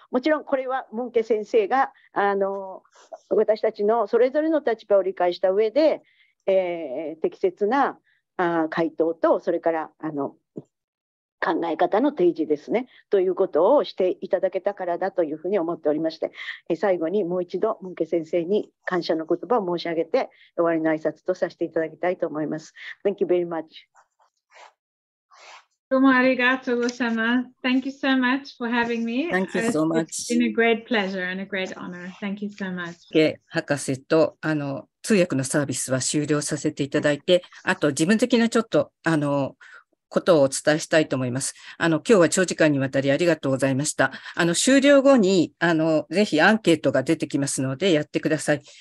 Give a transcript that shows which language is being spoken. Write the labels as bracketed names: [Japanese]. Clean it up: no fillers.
[Japanese] もちろんこれはムンケ先生が私たちのそれぞれの立場を理解した上で、適切な回答とそれから考え方の提示ですねということをしていただけたからだというふうに思っておりまして、最後にもう一度ムンケ先生に感謝の言葉を申し上げて終わりの挨拶とさせていただきたいと思います。 [English] Thank you very much。 [Japanese] どうもありがとうございます。 [English] Thank you so much for having me. Thank you so much. It's been a great pleasure and a great honor. Thank you so much. [Japanese] 博士と通訳のサービスは終了させていただいて、あと自分的なちょっとことをお伝えしたいと思います。今日は長時間にわたりありがとうございました。終了後に、ぜひアンケートが出てきますのでやってください。